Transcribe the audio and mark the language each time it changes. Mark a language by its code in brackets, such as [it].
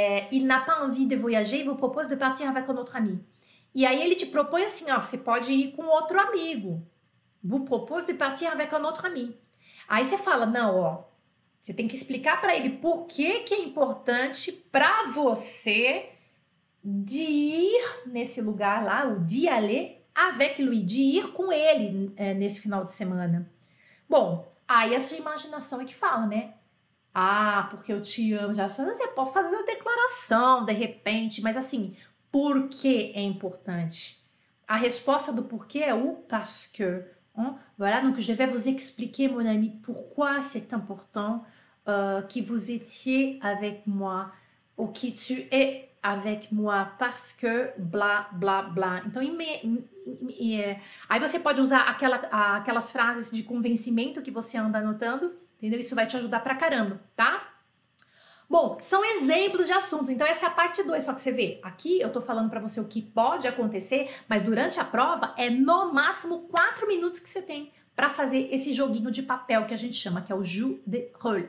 [fr] Il n'a pas envie de voyager, il vous propose de partir avec un autre ami. [pt] E aí ele te propõe assim, ó, você pode ir com outro amigo. [fr] Vous propose de partir avec un autre ami. [pt] Aí você fala, não, ó. Você tem que explicar para ele por que que é importante para você de ir nesse lugar lá, o [fr] d'y aller avec lui, [pt] de ir com ele nesse final de semana. Bom, aí a sua imaginação é que fala, né? Ah, porque eu te amo. Já você pode fazer uma declaração de repente, mas assim, por que é importante? A resposta do porquê é o parce que. Hein? [fr] Voilà, donc je vais vous expliquer, mon ami, pourquoi c'est important. Que vous étiez avec moi, ou que tu es avec moi parce que blá, blá, blá. [pt] Então, aí você pode usar aquelas frases de convencimento que você anda anotando, entendeu? Isso vai te ajudar pra caramba, tá? Bom, são exemplos de assuntos. Então, essa é a parte 2. Só que você vê, aqui eu tô falando pra você o que pode acontecer, mas durante a prova é no máximo 4 minutos que você tem pra fazer esse joguinho de papel que a gente chama, que é o jeu de rôle.